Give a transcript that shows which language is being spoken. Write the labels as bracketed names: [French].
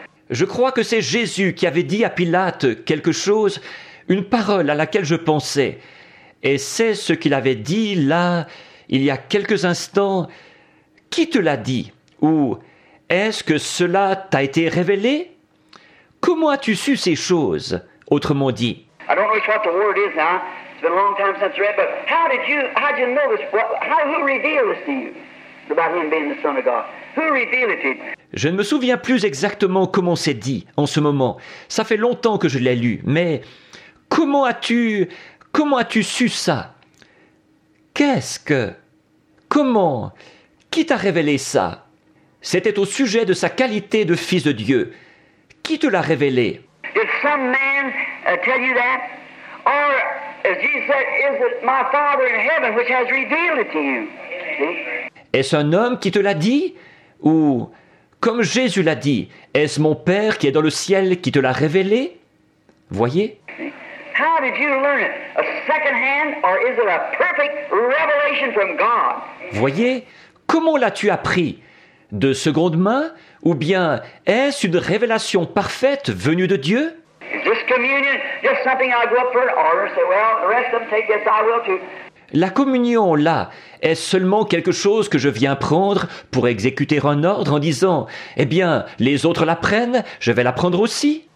[French] Je crois que c'est Jésus qui avait dit à Pilate quelque chose, une parole à laquelle je pensais. Et c'est ce qu'il avait dit là, il y a quelques instants. Qui te l'a dit? Ou est-ce que cela t'a été révélé? Comment as-tu su ces choses? Autrement dit. [English] I don't know what the word is now. It's been a long time since I read, but how did you know this? Who revealed this to you? About him being the Son of God. Who revealed it to you? [French] Je ne me souviens plus exactement comment c'est dit en ce moment. Ça fait longtemps que je l'ai lu, mais comment as-tu su ça? Comment? Qui t'a révélé ça? C'était au sujet de sa qualité de fils de Dieu. Qui te l'a révélé? [English] Did some man tell you that? Or, as Jesus said, is it my Father in heaven which has revealed it to you? [French] Est-ce un homme qui te l'a dit? Ou, comme Jésus l'a dit, est-ce mon Père qui est dans le ciel qui te l'a révélé? Voyez? [English] How did you learn it? A second hand, or is it a perfect revelation from God? [French] Voyez, comment l'as-tu appris? De seconde main, ou bien est-ce une révélation parfaite venue de Dieu? [English] Is this communion just something I go up for? Or say, well, the rest of them take this, I will too. [French] La communion, là, est seulement quelque chose que je viens prendre pour exécuter un ordre en disant, eh bien, les autres la prennent, je vais la prendre aussi.